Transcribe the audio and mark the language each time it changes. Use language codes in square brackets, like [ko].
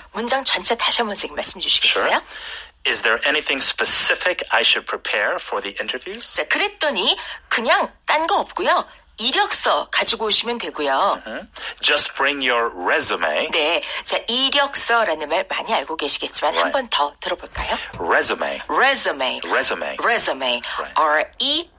[ko] 자, 문장 전체 다시 한번 선생님 말씀 주시겠어요? [en] Sure. Is there anything specific I should prepare for the interviews? [ko] 자, 그랬더니 그냥 딴 거 없고요. 이력서 가지고 오시면 되고요. [en] Just bring your resume. [ko] 네. 자, 이력서라는 말 많이 알고 계시겠지만 [en] right. [ko] 한 번 더 들어볼까요? [en] Resume. Resume. Resume. Resume. Right. R-E.